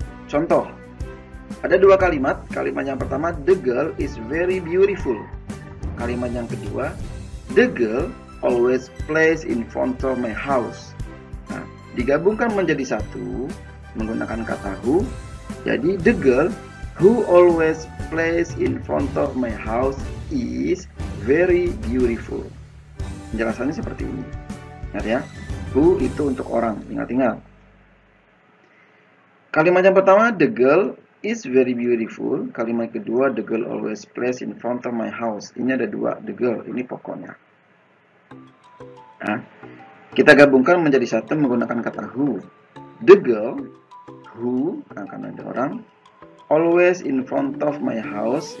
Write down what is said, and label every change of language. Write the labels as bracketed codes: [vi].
[id] Contoh. Ada dua kalimat. Kalimat yang pertama, [en] the girl is very beautiful. [id] Kalimat yang kedua, [en] the girl always plays in front of my house. [id] Nah, digabungkan menjadi satu menggunakan kata who. [en] Jadi the girl who always plays in front of my house is very beautiful. [id] Penjelasannya seperti ini. Ingat ya, who itu untuk orang. Ingat-ingat. Kalimat yang pertama, [en] the girl is very beautiful. [id] Kalimat kedua, [en] the girl always plays in front of my house. [id] Ini ada dua, the girl, ini pokoknya. Nah, kita gabungkan menjadi satu menggunakan kata who. [en] The girl, who, [id] karena ada orang, [en] always in front of my house.